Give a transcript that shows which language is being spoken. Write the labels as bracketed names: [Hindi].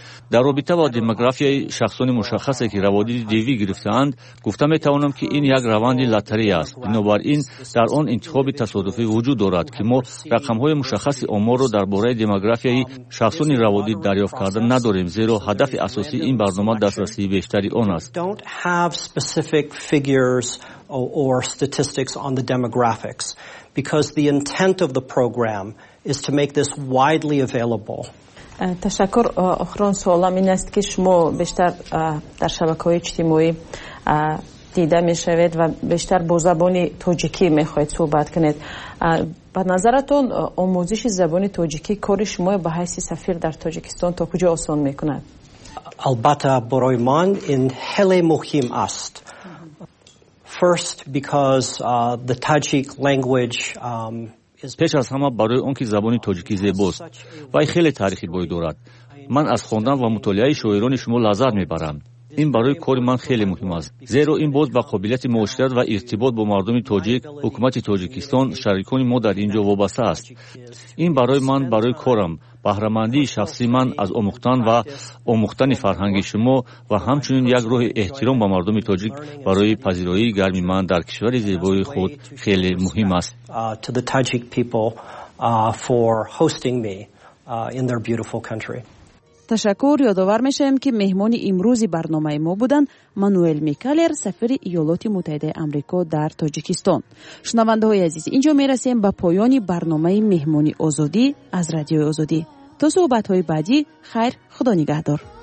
[Persian] در رابطه با دموگرافی شخصان مشخصی که روادید دیوی گرفتند گفته می توانم که این یک روند لاتری است، بنابراین در آن انتخاب تصادفی وجود دارد که ما رقم های مشخص آمار را درباره دموگرافی شخصان روادید دریافت کرده نداریم، زیرا هدف اساسی این برنامه دسترسی بیشتری آن است. [English] Don't have specific figures or statistics on the demographics because the intent of the program is to make this widely available. [Persian] تشکر. آخرون سوالم این است که شما بیشتر در شبکه‌های اجتماعی دیده می شوید و بیشتر با زبان تاجیکی می خواهید صحبت کنید. به نظرتون آموزش زبان تاجیکی کار شما به حیث سفیر در تاجیکستان تا کجا آسان می کند؟ البته برای من این خیلی مهم است. [English] First, because the Tajik language [Persian] پیش از همه برای اون که زبان تاجیکی زیباست و خیلی تاریخی باید دارد. من از خواندن و مطالعه شاعران شما لذت میبرم. این برای کار من خیلی مهم است، زیرا این باز با قابلیت معاشرت و ارتباط با مردم تاجیک، حکومت تاجیکستان، شریکان ما در اینجا وابسته است. این برای من برای کارم بهره‌مندی شخصی من از آموختن و آموختن فرهنگ شما و همچنین یک روح احترام با مردم تاجیک برای پذیرایی گرمی من در کشور زیبای خود خیلی مهم است. [English] To the Tajik people for hosting me in their beautiful country. [Persian] تشکر. یادآور میشیم که مهمان امروزی برنامه ما بودند مانوئل میکالر، سفیر ایالات متحده آمریکا در تاجیکستان. شنونده های عزیز، اینجا میرسیم به پایان برنامه مهمان آزادی از رادیو آزادی. تا صحبت های بعدی، خیر، خدا نگهدار.